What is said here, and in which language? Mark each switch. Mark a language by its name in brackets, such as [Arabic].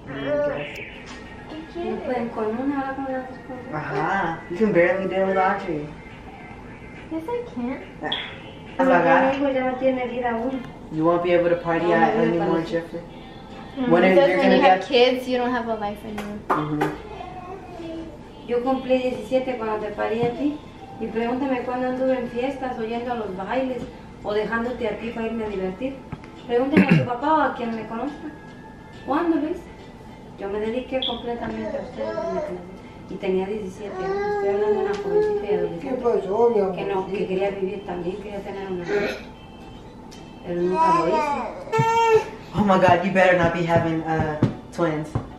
[English] I mean, you can barely deal with Audrey. Yes, I can. You won't be able to party out anymore, Jeffrey. Mm-hmm. When are you gonna have kids, you don't have a life anymore. Mm-hmm. [Spanish] Yo cumplí 17 cuando te parí a ti. Y pregúntame cuándo anduve en fiestas, oyendo a los bailes, o dejándote aquí para irme a divertir. Pregúntame a tu papá o a quien me conozca. ¿Cuándo, Luis? Yo me dediqué completamente a ustedes. Y tenía 17 años. Estoy hablando de una jovencita y adolescente. ¿Qué pasó, mi amor? Que no, que quería vivir también, quería tener una vida. Pero nunca lo hice. [English] Oh my god, you better not be having twins.